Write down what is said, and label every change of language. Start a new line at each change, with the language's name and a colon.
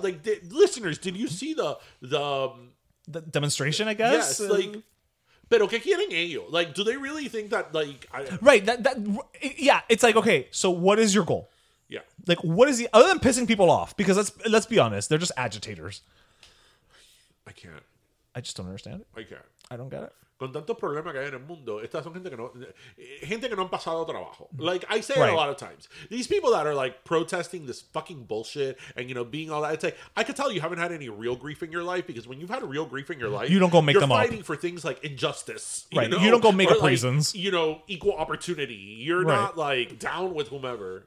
English: Like, listeners, did you see the demonstration? I guess. Like,
Spanish: pero qué quieren ellos?
English: Like, do they really think that? Like, right. That. Yeah. It's like, okay. So, what is your goal? Yeah. Like, what is the other than pissing people off? Because let's be honest, they're just agitators. I can't. I just don't understand it. I can't. I don't get it.
Spanish: Con tantos problemas que hay en el mundo, estas son gente que no han pasado trabajo.
English: Like, I say right. It a lot of times. These people that are, like, protesting this fucking bullshit and, you know, being all that. It's like, I could tell you haven't had any real grief in your life because when you've had a real grief in your life, you don't go make them up. You're fighting for things like injustice. Right. You know? You don't go make up reasons. Like, you know, equal opportunity. You're right. Not, like, down with whomever.